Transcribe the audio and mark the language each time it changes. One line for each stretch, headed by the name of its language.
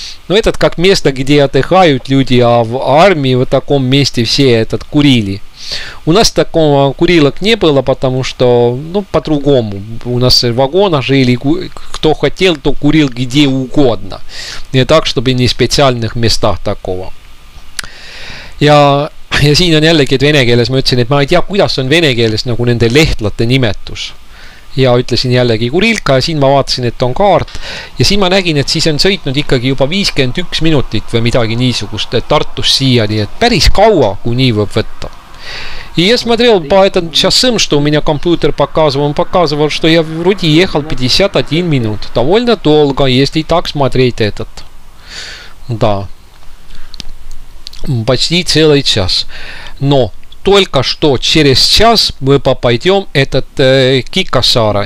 Russian: Но этот как место, где отдыхают люди, а в армии в таком месте все этот курили. У нас такого курилок не было, потому что, ну, по-другому. У нас в вагонах жили, кто хотел, то курил где угодно. Не так, чтобы не в специальных местах такого.
Estonian: Ja siin on jällegi, et vene keeles ma ütlesin, et ma ei tea, kuidas on vene keeles nagu nende lehtlate nimetus. Ja ütlesin jällegi kurilka ja siin ma vaatasin, et on kaart. Ja siin ma nägin, et siis on sõitnud ikkagi juba 51 minutit või midagi niisugust, et Tartus siia, nii et päris kaua, kui nii võib võtta.
Russian: И я смотрел по этому часам, что у меня компьютер показывал, он показывал, что я вроде ехал 51 минут. Довольно долго, если так смотреть этот. Да. Почти целый час. Но только что через час мы попадем этот Кикасара.